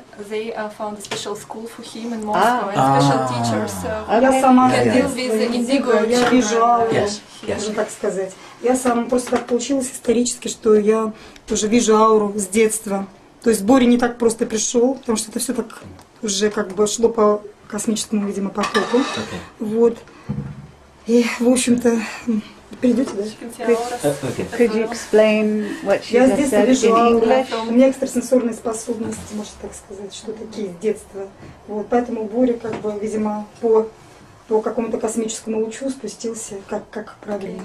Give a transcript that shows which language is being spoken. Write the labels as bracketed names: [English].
[English] They found a special school for him in Moscow and special teachers. [Russian] Я сама индиго. Я бежала, можно так сказать. Я сама просто так получилось исторически, что я тоже вижу ауру с детства. То есть Боря не так просто пришел, потому что это все так уже как бы шло по космическому, видимо, потоку. [English] Okay. [Russian] Вот. И, в общем-то, перейдете, да? [English] Could you explain what she has said in English? [Russian] Я с детства вижу ауру. У меня экстрасенсорные способности, можно так сказать, что такие с детства. Вот. Поэтому Боря, как бы, видимо, по какому-то космическому лучу спустился, как правильно.